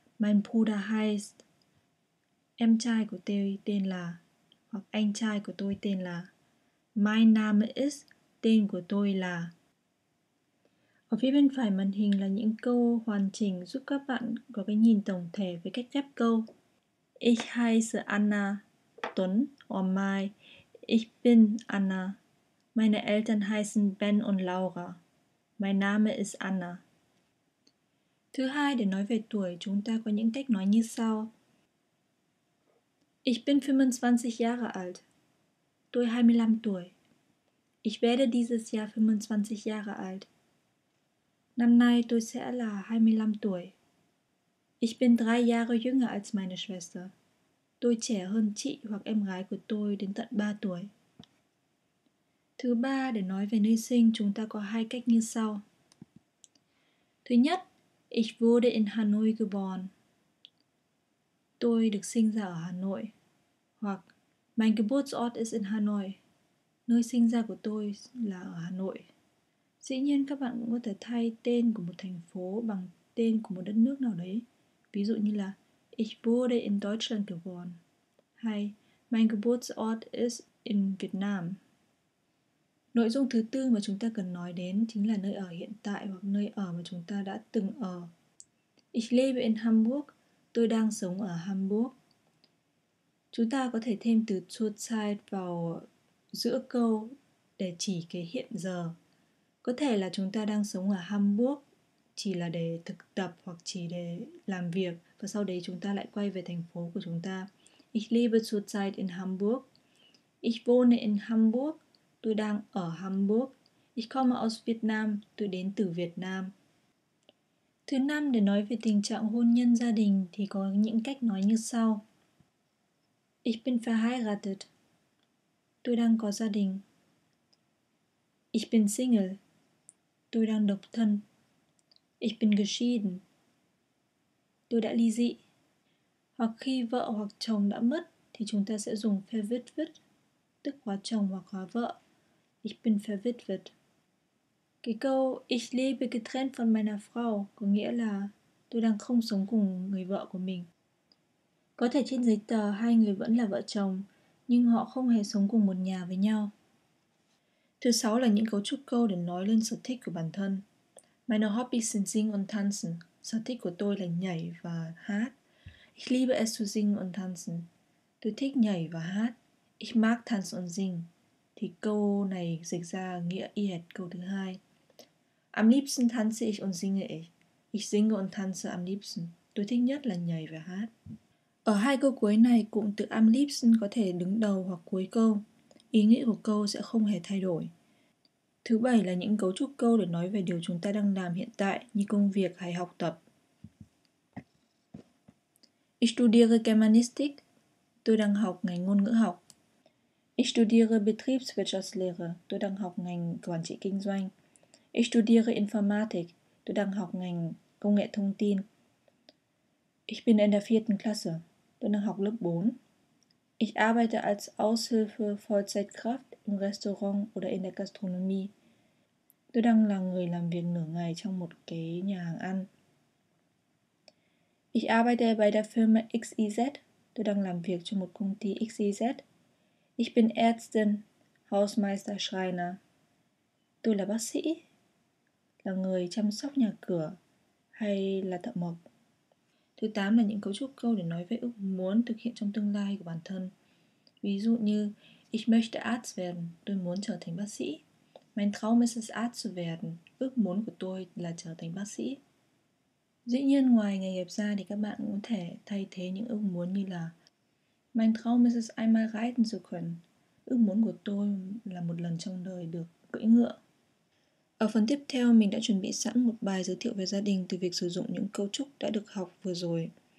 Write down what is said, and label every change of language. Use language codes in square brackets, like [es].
[de] Mein Bruder heißt. [vi] Em trai của tôi tên là. Hoặc anh trai của tôi tên là. [de] Mein Name ist. [vi] Tên của tôi là. Ở phía bên phải màn hình là những câu hoàn chỉnh giúp các bạn có cái nhìn tổng thể về cách ghép câu. [de] Ich heiße Anna, Tuấn, or Mai. Ich bin Anna. Meine Eltern heißen Ben und Laura. Mein Name ist Anna. [vi] Thứ hai, để nói về tuổi, chúng ta có những cách nói như sau. [de] Ich bin 25 Jahre alt. [vi] Tôi 25 tuổi. [de] Ich werde dieses Jahr 25 Jahre alt. [vi] Năm nay tôi sẽ là 25 tuổi. [de] Ich bin 3 Jahre jünger als meine Schwester. [vi] Tôi trẻ hơn chị hoặc em gái của tôi đến tận 3 tuổi. Thứ ba, để nói về nơi sinh, chúng ta có hai cách như sau. Thứ nhất, [de] ich wurde in Hanoi geboren. [vi] Tôi được sinh ra ở Hà Nội. [de] Hoặc, mein Geburtsort ist in Hanoi. [vi] Nơi sinh ra của tôi là ở Hà Nội. Dĩ nhiên các bạn cũng có thể thay tên của một thành phố bằng tên của một đất nước nào đấy. Ví dụ như là [de] Ich wurde in Deutschland geboren. Hay Mein Geburtsort ist in Vietnam. [vi] Nội dung thứ tư mà chúng ta cần nói đến chính là nơi ở hiện tại hoặc nơi ở mà chúng ta đã từng ở. [de] Ich lebe in Hamburg. [vi] Tôi đang sống ở Hamburg. Chúng ta có thể thêm từ zurzeit vào giữa câu để chỉ cái hiện giờ. Có thể là chúng ta đang sống ở Hamburg chỉ là để thực tập hoặc chỉ để làm việc và sau đấy chúng ta lại quay về thành phố của chúng ta. [de] Ich lebe zurzeit in Hamburg. Ich wohne in Hamburg. [vi] Tôi đang ở Hamburg. [de] Ich komme aus Vietnam. [vi] Tôi đến từ Việt Nam. Thứ năm, để nói về tình trạng hôn nhân gia đình thì có những cách nói như sau. [de] Ich bin verheiratet. [vi] Tôi đang có gia đình. [de] Ich bin single. [vi] Tôi đang độc thân. [de] Ich bin geschieden. [vi] Tôi đã ly dị. Hoặc khi vợ hoặc chồng đã mất thì chúng ta sẽ dùng verwitwet, tức hóa chồng hoặc hóa vợ. [de] Ich bin verwitwet. [vi] Cái câu [de] Ich lebe getrennt von meiner Frau [vi] có nghĩa là tôi đang không sống cùng người vợ của mình. Có thể trên giấy tờ hai người vẫn là vợ chồng nhưng họ không hề sống cùng một nhà với nhau. Thứ sáu là những cấu trúc câu để nói lên sở thích của bản thân. [de] Meine Hobbys sind singen und tanzen. [vi] Sở thích của tôi là nhảy và hát. [de] Ich liebe es zu singen und tanzen. [vi] Tôi thích nhảy và hát. [de] Ich mag tanzen und singen. [vi] Thì câu này dịch ra nghĩa y hệt câu thứ hai. [de] Am liebsten tanze ich und singe ich. Ich singe und tanze am liebsten. [vi] Tôi thích nhất là nhảy và hát. Ở hai câu cuối này, cụm từ am liebsten có thể đứng đầu hoặc cuối câu. Ý nghĩa của câu sẽ không hề thay đổi. Thứ bảy là những cấu trúc câu để nói về điều chúng ta đang làm hiện tại như công việc hay học tập. [de] Ich studiere Germanistik. [vi] Tôi đang học ngành ngôn ngữ học. [de] Ich studiere Betriebswirtschaftslehre. [vi] Tôi đang học ngành quản trị kinh doanh. [de] Ich studiere Informatik. [vi] Tôi đang học ngành công nghệ thông tin. [de] Ich bin in der vierten Klasse. [vi] Tôi đang học lớp 4. [de] Ich arbeite als Aushilfe Vollzeitkraft im Restaurant oder in der Gastronomie. [vi] Tôi đang là người làm việc nửa ngày trong một cái nhà hàng ăn. [de] Ich arbeite bei der Firma XYZ. [vi] Tôi đang làm việc cho một công ty XYZ. [de] Ich bin Ärztin, Hausmeister, Schreiner. [vi] Tôi là bác sĩ, là người chăm sóc nhà cửa hay là thợ mộc. Thứ 8 là những cấu trúc câu để nói về ước muốn thực hiện trong tương lai của bản thân. Ví dụ như [de] Ich möchte Arzt werden. [vi] Tôi muốn trở thành bác sĩ. [de] Mein Traum ist es, Arzt zu werden. [vi] Ước muốn của tôi là trở thành bác sĩ. Dĩ nhiên, ngoài nghề nghiệp ra thì các bạn cũng có thể thay thế những ước muốn như là [de] Mein Traum ist es, einmal reiten zu können. [vi] Ước muốn của tôi là một lần trong đời được cưỡi ngựa. Ở phần tiếp theo, mình đã chuẩn bị sẵn một bài giới thiệu về gia đình từ việc sử dụng những cấu trúc đã được học vừa rồi.